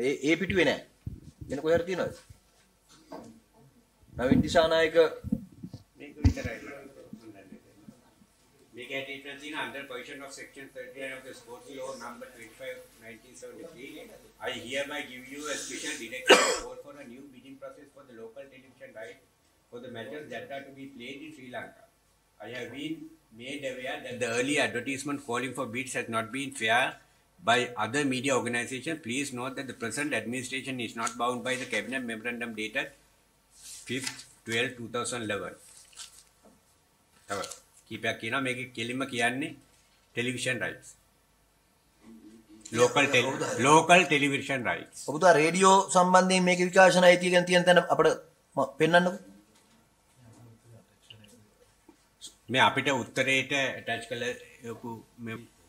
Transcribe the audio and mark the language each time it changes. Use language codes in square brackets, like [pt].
[si] ඒ පිටුවේ නෑ එන කොහෙද තියෙනවද Navin Dissanayake [en] I hereby give you a special directive report for a new bidding process for the local television right for the matches that are to be played in Sri Lanka. I have been made aware that the early advertisement calling for bids has not been fair by other media organizations. Please note that the present administration is not bound by the cabinet memorandum dated 5th 12 2011. [si] කීපයක් කියනවා මේක කෙලින්ම කියන්නේ television rights local television rights ඔබතුමා radio සම්බන්ධයෙන් මේක විකාශන අයිතිය ගැන තියෙන තැන අපිට පෙන්වන්නකෝ මේ අපිට උත්තරේට ඇටච් කළකෝ මේ